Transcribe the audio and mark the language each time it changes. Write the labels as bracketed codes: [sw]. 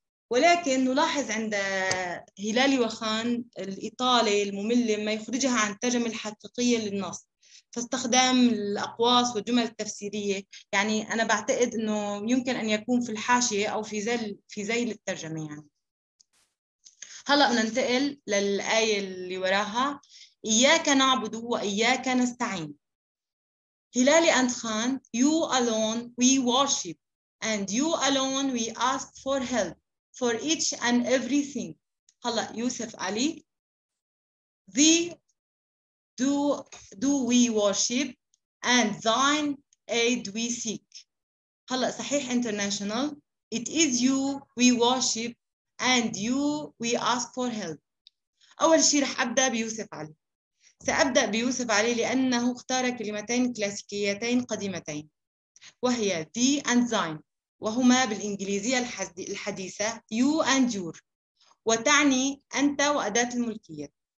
[ar] ولكن نلاحظ عند هلالي وخان الإطالة المملة ما يخرجها عن الترجمة الحقيقية للنص، فاستخدام الأقواس والجمل التفسيرية، يعني أنا بعتقد أنه يمكن أن يكون في الحاشية أو في زيل الترجمة. يعني هلأ ننتقل للآية اللي وراها، إياك نعبد وإياك نستعين. [en] هلالي أنت خان، you alone we worship and you alone we ask for help for each and everything. هلأ يوسف علي، the Do we worship and thine aid we seek. [ar] هلا صحيح international. [en] It is you we worship and you we ask for help. [ar] أول شيء رح أبدأ بيوسف علي. سأبدأ بيوسف علي لأنه اختار كلمتين كلاسيكيتين قديمتين، وهي [en] the and thine، [ar] وهما بالإنجليزية الحديثة [en] you and your، [ar] وتعني أنت وأداة الملكية.